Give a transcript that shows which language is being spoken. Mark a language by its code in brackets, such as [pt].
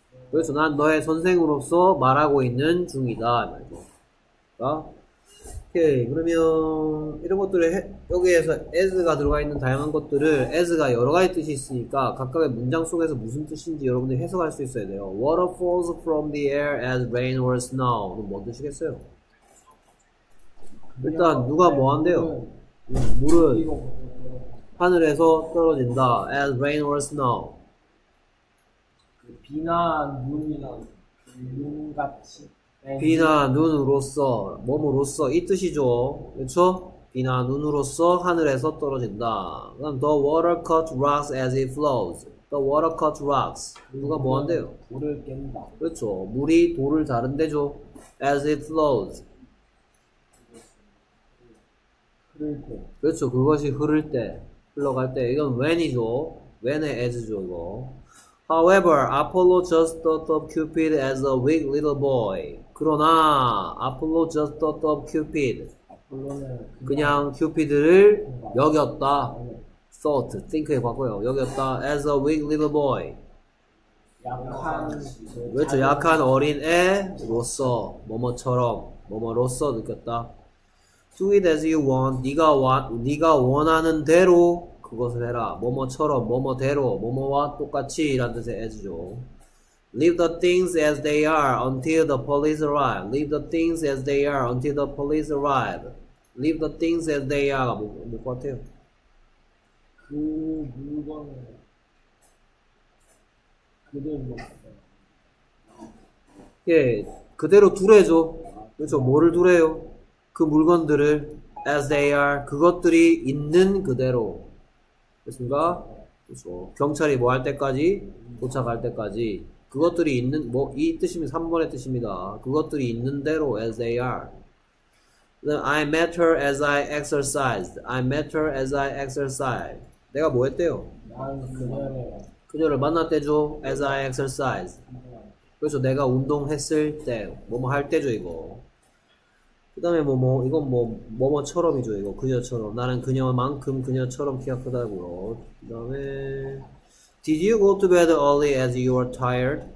[ko] 그래서 난 너의 선생으로서 말하고 있는 중이다. 말고. 어? 오케이. 그러면 이런 것들을 여기에서 as가 들어가 있는 다양한 것들을 as가 여러 가지 뜻이 있으니까 각각의 문장 속에서 무슨 뜻인지 여러분들이 해석할 수 있어야 돼요. [en] Water falls from the air as rain or snow. [ko] 뭔 뜻이겠어요? 일단 누가 뭐 한대요? 물은 하늘에서 떨어진다. [en] As rain or snow. [ko] 비나 눈이나 눈같이 비나 눈으로서 몸으로서 이 뜻이죠. 그렇죠? 비나 눈으로서 하늘에서 떨어진다. 그럼 [en] the water cut rocks as it flows. The water cut rocks. [ko] 누가 뭐 한대요? 돌을 깬다. 그렇죠. 물이 돌을 자른대죠. [en] As it flows. [ko] 흐를 때. 그렇죠. 그것이 흐를 때. 흘러갈 때. 이건 when이죠. when의 as죠. 이거. [en] However, Apollo just thought of Cupid as a weak little boy. [ko] 그러나, [en] Apollo just thought of Cupid. [ko] 그냥 Cupid를 여겼다. [en] Thought, think에 봤고요. [ko] 여겼다. [en] As a weak little boy. [ko] 약한, 그렇죠. 약한 어린애로서, 뭐뭐처럼, 뭐뭐로서 느꼈다. [en] Do it as you want. [ko] 네가 원하는 대로. 그것을 해라. 뭐뭐처럼, 뭐뭐대로, 뭐뭐와 똑같이 라는 뜻의 as죠. [en] Leave the things as they are until the police arrive. Leave the things as they are until the police arrive. Leave the things as they are. [ko] 뭐 같아요? 그 물건을 그대로 놓고 예, 그대로 두래죠. 그렇죠. 뭐를 두래요? 그 물건들을 [en] as they are. [ko] 그것들이 있는 그대로. 됐습니까? 그렇죠. 경찰이 뭐 할 때까지? 도착할 때까지. 그것들이 있는, 뭐, 이 뜻이면 3번의 뜻입니다. 그것들이 있는 대로 [en] as they are. Then I met her as I exercised. I met her as I exercised. [ko] 내가 뭐 했대요? 난 그녀를 만났대죠. [en] As I exercised. [ko] 그래서 내가 운동했을 때, 뭐뭐 할 때죠 이거. 그 다음에 뭐뭐, 이건 뭐, 뭐뭐처럼이죠 이거. 그녀처럼. 나는 그녀만큼 그녀처럼 키가 크다고요. 그 다음에 [en] Did you go to bed early as you were tired?